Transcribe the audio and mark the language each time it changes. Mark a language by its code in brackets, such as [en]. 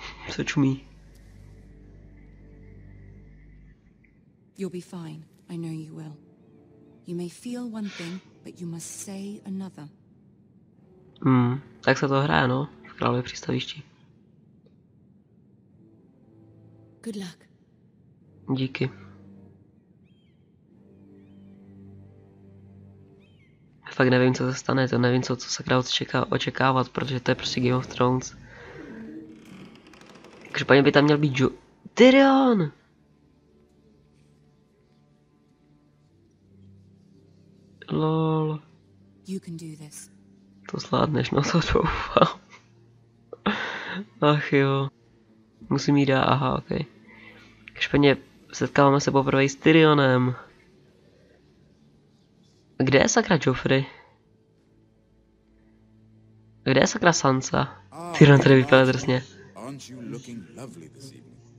[cs] Co čumí? [en] You'll be fine. I know you will. You may feel one thing, but you must say another. [cs] Tak se to hraje, no, v Králově přístavišti. [en] Good luck. [cs] Díky. Fakt nevím, co se stane, to nevím, co se Králově čeká očekávat, protože to je prostě Game of Thrones. Každopádně by tam měl být Tyrion! [en] Lol. You can do this. [cs] To zvládneš, no to doufám. Ach jo. Musím jít dát, aha, okej. Okay. Špatně, setkáváme se poprvé s Tyrionem. Kde je sakra Joffrey? Kde je sakra Sansa? Tyrion tady vypadá drsně. [en] Aren't you looking lovely this evening?